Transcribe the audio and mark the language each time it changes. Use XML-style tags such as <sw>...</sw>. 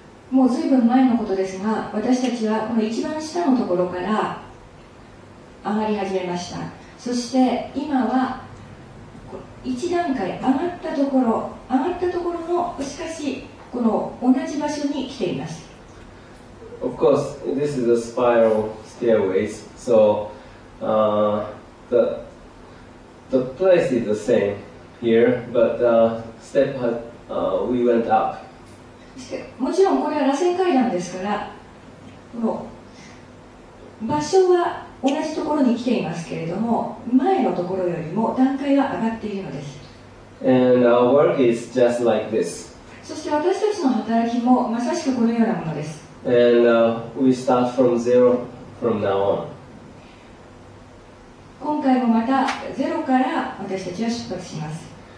<ja>もう随分前のことですが、私たちはこの一番下のところから上がり始めました。そして今は一段階上がったところ、上がったところもしかしこの同じ場所に来ています。</ja> <en>Of course, this is a spiral stairways, so the place is the same here, but step had, we went up.</en> <ja>もちろんこれは螺旋階段ですから、この場所は同じところに来ていますけれども、前のところよりも段階は上がっているのです。</ja> <en>And our work is just like this.</en> <ja>そして私たちの働きもまさしくこのようなものです。</ja> <en>And, we start from zero from now on.</en> <ja>今回もまたゼロから私たちは出発します。</ja>